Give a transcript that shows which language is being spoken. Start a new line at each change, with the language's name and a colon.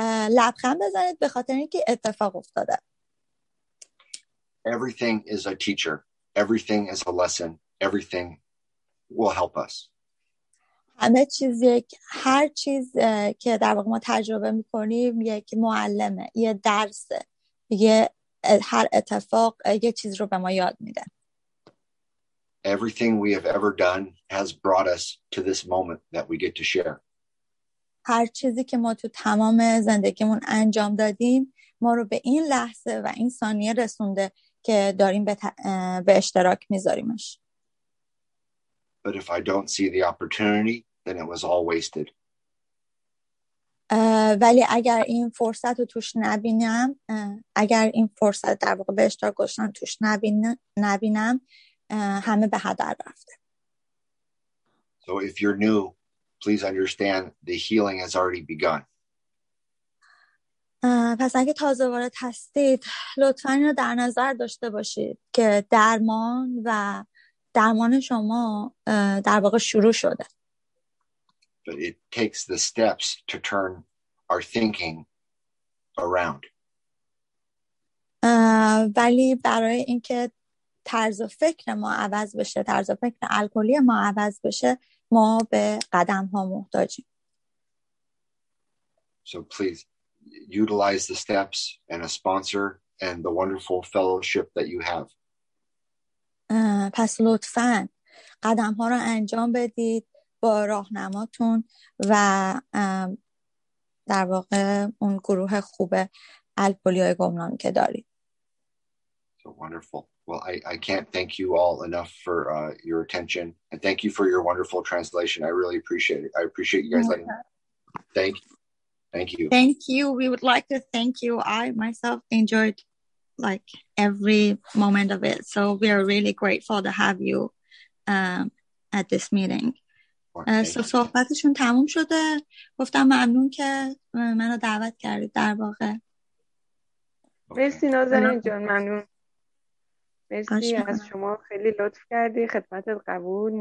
Persian: لبخند بزنید به خاطر اینکه اتفاق افتاده.
English: Everything is a teacher. Everything is a lesson. Everything will help us.
Persian: همه چیز یک، هر چیز که در واقع ما تجربه میکنیم یک معلمه، یه درسه دیگه هر اتفاق یه چیز رو به ما یاد میده.
English: Everything we have ever done has brought us to this moment that we get to share.
Persian: هر چیزی که ما تو تمام زندگیمون انجام دادیم ما رو به این لحظه و این ثانیه رسونده که داریم به اشتراک میذاریمش.
English: But if I don't see the opportunity, then it was all wasted.
Persian: ولی اگر این فرصت رو توش نبینم اگر این فرصت در واقع به اشتراک گذاشتن توش نبینم همه به هدر رفته.
English: So if you're new, please understand the healing has already begun.
Persian: پس اگه تازه وارد هستید لطفاً اینو در نظر داشته باشید که درمان و درمان شما در واقع شروع شده.
English: But it takes the steps to turn our thinking around.
Persian: ولی برای اینکه طرز فکر ما عوض بشه، طرز فکر الکلی ما عوض بشه، ما به قدم ها محتاجیم.
English: So please utilize the steps and a sponsor and the wonderful fellowship that you have.
Persian: پس لطفاً قدم ها رو انجام بدید با راهنماتون و در واقع اون گروه خوب الپولیای گمنام که دارید.
English: So wonderful. Well, I can't thank you all enough for your attention and thank you for your wonderful translation. I really appreciate it. I appreciate you guys letting me. Thank you. Thank you. We would like to thank you. I myself enjoyed like every moment of it. So we are really grateful to have you at this meeting.
Persian: صحبتشون تموم شده. گفتم ممنون که منو دعوت کردید در واقع. مرسی نازنین جان، ممنون. مرسی از شما، خیلی لطف کردی، خدمتت قبول.